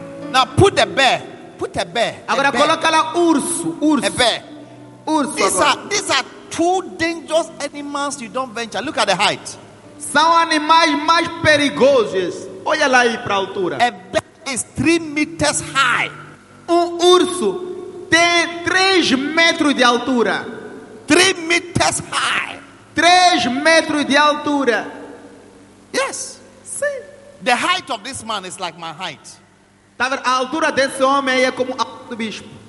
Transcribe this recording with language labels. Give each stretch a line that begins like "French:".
English: Now put the bear. Put a bear.
Portuguese: Agora a coloca lá urso. Urso.
English: A bear.
Portuguese: Urso.
English: These are two dangerous animals you don't venture. Look at the height.
Portuguese: São animais mais perigosos. Olha lá aí para a altura.
English: A bear is 3 meters high.
Portuguese: Um urso tem 3 metros de altura.
English: 3 meters high.
Portuguese: 3 metros de altura.
English: Yes.
Portuguese: Sim.
English: The height of this man is like my height.
Portuguese: Tá vendo? A altura desse homem é como a do bispo.